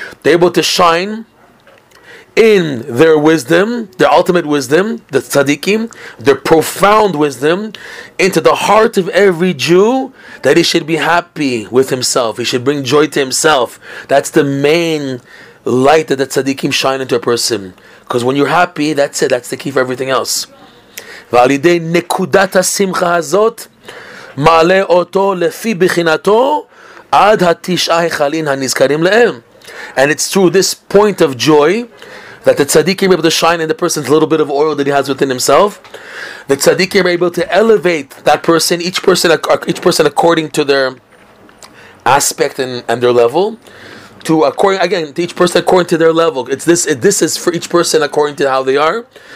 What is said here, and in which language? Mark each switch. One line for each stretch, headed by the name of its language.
English: They're able to shine in their wisdom, their ultimate wisdom, the tzaddikim, their profound wisdom, into the heart of every Jew, that he should be happy with himself. He should bring joy to himself. That's the main light that the tzaddikim shine into a person. Because when you're happy, that's it. That's the key for everything else.
Hebrew: ועל ידי נקודת השמחה הזאת מעלה אותו לפי בחינתו עד התשעה החלין הנזכרים להם.
English: And it's through this point of joy that the tzaddikim are able to shine in the person's little bit of oil that he has within himself. The tzaddikim are able to elevate that person, each person according to their aspect and their level. To each person according to their level. This is for each person according to how they are.